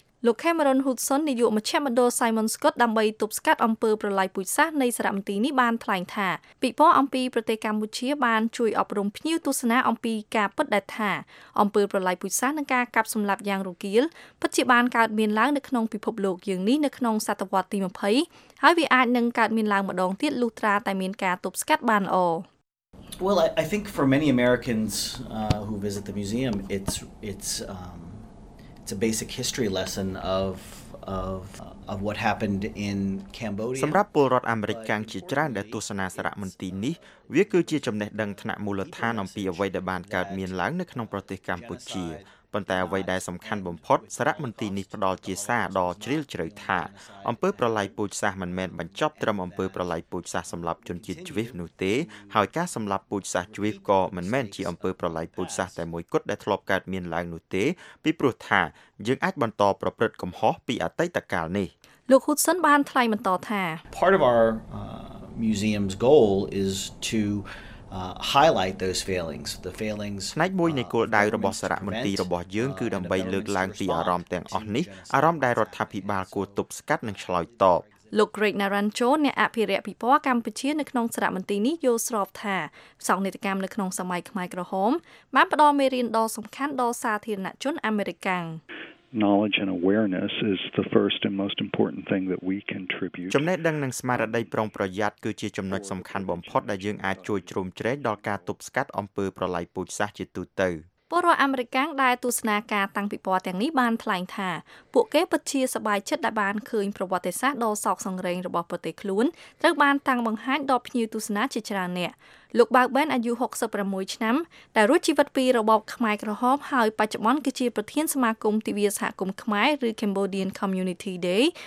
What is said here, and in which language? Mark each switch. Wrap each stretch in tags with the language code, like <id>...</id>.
<km>លោក Cameron Hudson នាយកមជ្ឈមណ្ឌល Simon Scott ដើម្បីទប់ស្កាត់អំពើប្រឡាយពូជសាសន៍នៃសារមន្ទីរនេះបានថ្លែងថាពិព័រណ៍អំពីប្រទេសកម្ពុជាបានជួយអប់រំភ្ញៀវទស្សនាអំពីការពិតដែលថាអំពើប្រឡាយពូជសាសន៍និងការកាប់សម្លាប់យ៉ាងរង្គាលពិតជាបានកើតមានឡើងនៅក្នុងពិភពលោកយើងនេះនៅក្នុងសតវត្សទី20ហើយវាអាចនឹងកើតមានឡើងម្ដងទៀតលុះត្រាតែមានការទប់ស្កាត់បានល្អ</km> <en>Well I think for many Americans who visit the museum it's a basic history lesson of what happened in Cambodia</en> <km>សម្រាប់ពលរដ្ឋអាមេរិកកាំងជាច្រើនដែលទស្សនាសារមន្ទីរនេះវាគឺជាចំណេះដឹងថ្នាក់មូលដ្ឋានអំពីអ្វីដែលបានកើតមានឡើងនៅក្នុងប្រទេសកម្ពុជាប៉ុន្តែអ្វីដែលសំខាន់បំផុតសារមន្ទីរនេះផ្ដល់ជាសារដ៏ជ្រាលជ្រៅថាអំពើប្រល័យពូជសាសន៍មិនមែនបញ្ចប់ត្រឹមអំពើប្រល័យពូជសាសន៍សម្រាប់ជនជាតិ Jewish នោះទេហើយការសម្លាប់ពូជសាសន៍ Jewish ក៏មិនមែនជាអំពើប្រល័យពូជសាសន៍តែមួយគត់ដែលធ្លាប់កើតមានឡើងនោះទេពីព្រោះថាយើងអាចបន្តប្រព្រឹត្តកំហុសពីអតីតកាលនេះ លោក Hudson បានថ្លែងបន្តថា</km> <en>Part of our museum's goal is to highlight those failings the failings</en> <km>ផ្នែកមួយនៃគោលដៅរបស់សារមន្ទីររបស់យើងគឺដើម្បីលើកឡើងពីអារម្មណ៍ទាំងអស់នេះអារម្មណ៍ដែលរដ្ឋាភិបាលគួរទប់ស្កាត់និងឆ្លើយតប លោក Greg Narancho អ្នកអភិរក្សពិព័រណ៍កម្ពុជានៅក្នុងសារមន្ទីរនេះយល់ស្របថាសោកនាដកម្មនៅក្នុងសម័យខ្មែរក្រហមបានផ្ដល់មេរៀនដ៏សំខាន់ដល់សាធារណជនអាមេរិកាំង</km> <en>Knowledge and awareness is the first and most important thing that we contribute.</en> <km>ចំណេះដឹងនិងស្មារតីប្រុងប្រយ័ត្នគឺជាចំណុចសំខាន់បំផុតដែលយើងអាចជួយជ្រោមជ្រែងដល់ការទប់ស្កាត់អំពើប្រល័យពូជសាសន៍ជាទូទៅ ។ពលរដ្ឋអាមេរិកាំងដែលទស្សនាការតាំងពិព័រណ៍ទាំងនេះបានថ្លែងថាពួកគេពិតជាសប្បាយចិត្តដែលបានឃើញប្រវត្តិសាស្ត្រដ៏សោកសង្រេងរបស់ប្រទេសខ្លួនត្រូវបានតាំងបង្ហាញដល់ភ្ញៀវទស្សនាជាច្រើននាក់។លោកបើកបែនអាយុ66ឆ្នាំដែលរស់ជីវិតពីរបបខ្មែរក្រហមហើយបច្ចុប្បន្នគឺជាប្រធានសមាគមទិវាសហគមន៍ខ្មែរឬ Cambodian Community Day</km>